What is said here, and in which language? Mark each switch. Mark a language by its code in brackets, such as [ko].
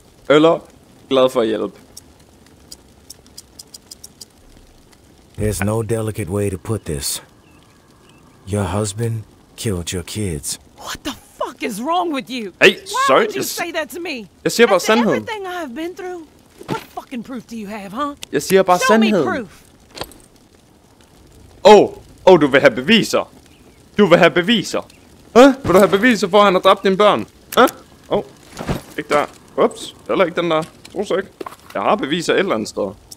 [da] Eller glad for at hjælpe. [en] There's no delicate way to put this. Your husband killed your kids. What the fuck is wrong with you? Hey, sorry. Why would you say that to me? [da] Jeg siger bare sandheden. [en] After everything I've been through, what fucking proof do you have, huh? [da] Jeg siger bare sandheden. [en] Show me proof. [da] Oh, du vil have beviser. Du vil have beviser. Huh? Vil du have beviser for, at han har dræbt dine børn? Huh? Oh, ikke der. Ups, heller ikke den der. Tror så ikke. Jeg har beviser et eller andet sted.